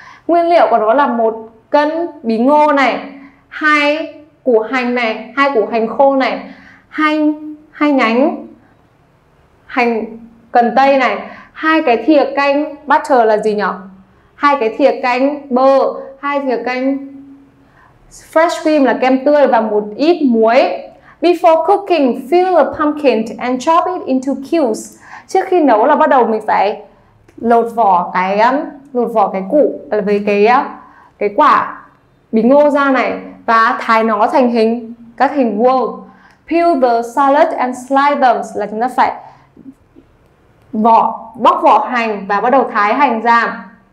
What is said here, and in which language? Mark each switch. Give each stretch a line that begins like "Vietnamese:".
Vietnamese: Nguyên liệu của nó là 1 cân bí ngô này, 2 củ hành này, 2 củ hành khô này, 2 nhánh hành cần tây này, 2 cái thìa canh butter là gì nhỉ? 2 cái thìa canh bơ, 2 thìa canh fresh cream là kem tươi và 1 ít muối.
English: Before cooking, fill the pumpkin and chop it into cubes.
Vietnamese: Trước khi nấu là bắt đầu mình phải lột vỏ cái củ với cái quả bí ngô ra này và thái nó thành hình các hình vuông.
English: Peel the salad and slice them,
Vietnamese: là chúng ta phải bóc vỏ hành và bắt đầu thái hành ra.